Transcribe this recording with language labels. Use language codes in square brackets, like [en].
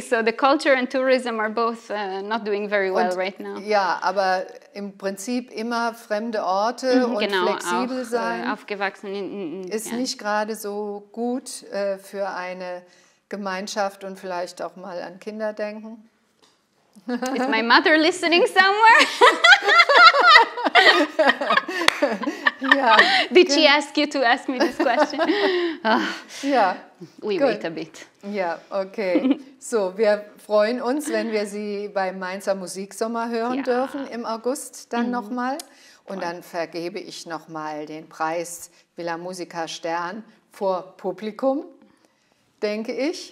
[en] So the culture and tourism are both not doing very well right now. [de] Aber im Prinzip immer fremde Orte und flexibel auch, sein. Aufgewachsen ist nicht gerade so gut für eine Gemeinschaft und vielleicht auch mal an Kinder denken. [en] Is my mother listening somewhere? Did she ask you to ask me this question? Yeah. We wait a bit. Yeah, okay. So, [de] wir freuen uns, wenn wir Sie beim Mainzer Musiksommer hören dürfen im August dann nochmal. Und dann vergebe ich nochmal den Preis Villa Musica Stern vor Publikum, denke ich.